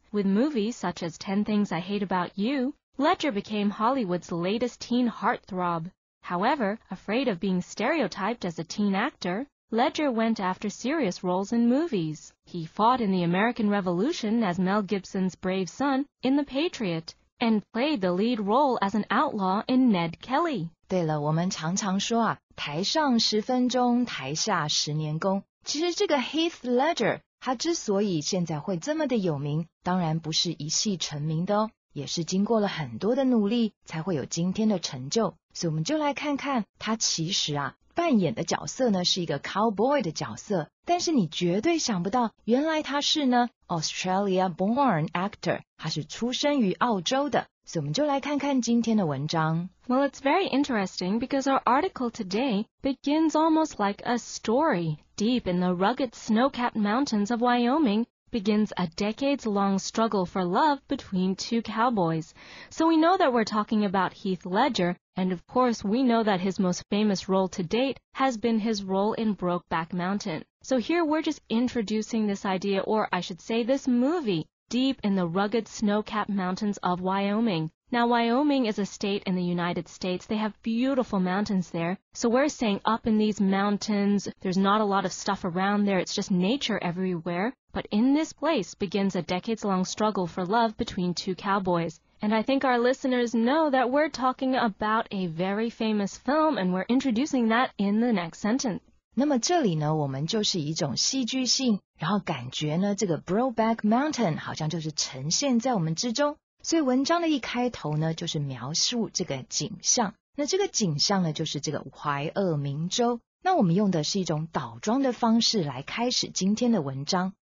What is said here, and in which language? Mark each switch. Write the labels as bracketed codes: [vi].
[en] With movies such as 10 Things I Hate About You, Ledger became Hollywood's latest teen heartthrob. However, afraid of being stereotyped as a teen actor, Ledger went after serious roles in movies. He fought in the American Revolution as Mel Gibson's brave son in The Patriot, and played the lead role as an outlaw in Ned Kelly. [zh] 对了，我们常常说啊，台上十分钟，台下十年功。其实这个 Heath Ledger, 他之所以现在会这么的有名，当然不是一夕成名的哦，也是经过了很多的努力，才会有今天的成就。所以我们就来看看他其实啊，扮演的角色呢，是一个 cowboy 的角色，但是你绝对想不到，原来他是呢 [en] Australia-born actor， [zh] 他是出生于澳洲的。所以我们就来看看今天的文章。 [en] Well, it's very interesting because our article today begins almost like a story. Deep in the rugged snow-capped mountains of Wyoming begins a decades-long struggle for love between two cowboys. So we know that we're talking about Heath Ledger. And of course, we know that his most famous role to date has been his role in Brokeback Mountain. So here we're just introducing this idea, or I should say this movie, Deep in the Rugged Snow-Capped Mountains of Wyoming. Now, Wyoming is a state in the United States. They have beautiful mountains there. So we're saying up in these mountains, there's not a lot of stuff around there. It's just nature everywhere. But in this place begins a decades-long struggle for love between two cowboys. And I think our listeners know that we're talking about a very famous film, and we're introducing that in the next sentence. [zh] 那么这里呢，我们就是一种戏剧性，然后感觉呢，这个 Brokeback Mountain 好像就是呈现在我们之中。所以文章的一开头呢，就是描述这个景象。那这个景象呢，就是这个怀俄明州。那我们用的是一种倒装的方式来开始今天的文章。